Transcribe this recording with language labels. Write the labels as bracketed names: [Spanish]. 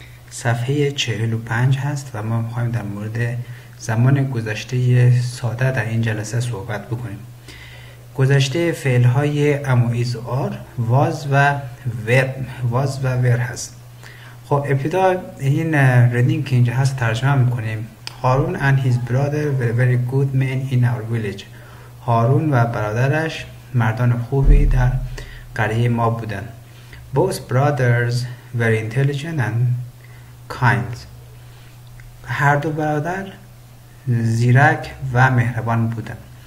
[Persian] صفحه 45 هست و ما می‌خوایم در مورد زمان گذشته ساده در این جلسه صحبت بکنیم. گذشته فعل‌های ام و ایز و آر، واز و ور هست. خب ابتدا این ریدینگ که اینجا هست ترجمه می‌کنیم. [English] هارون and his brother were very good men in our village. [Persian] هارون و برادرش مردان خوبی در قریه ما بودند. [English] Both brothers were intelligent and kind. [Persian] هر دو برادر زیرک و مهربان بودند.